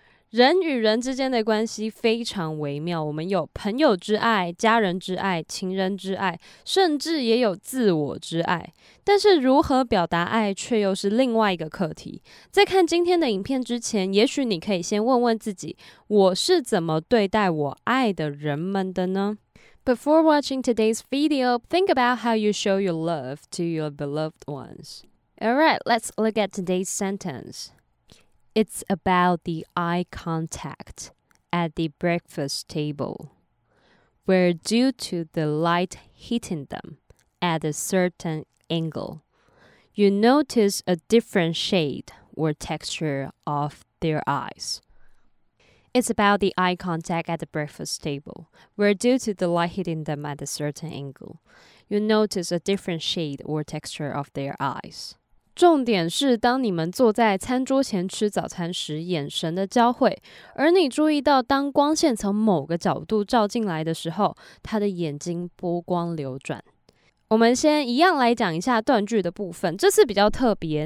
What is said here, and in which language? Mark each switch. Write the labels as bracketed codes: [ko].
[zh] 人与人之间的关系非常微妙，我们有朋友之爱、家人之爱、情人之爱，甚至也有自我之爱。但是如何表达爱却又是另外一个课题。在看今天的影片之前，也许你可以先问问自己，我是怎么对待我爱的人们的呢？ [en] Before watching today's video, think about how you show your love to your beloved ones. Alright, let's look at today's sentence. It's about the eye contact at the breakfast table, where due to the light hitting them at a certain angle, you notice a different shade or texture of their eyes. It's about the eye contact at the breakfast table, where due to the light hitting them at a certain angle, you notice a different shade or texture of their eyes. [zh] 重点是当你们坐在餐桌前吃早餐时眼神的交汇，而你注意到当光线从某个角度照进来的时候，他的眼睛波光流转。我们先一样来讲一下断句的部分，这次比较特别。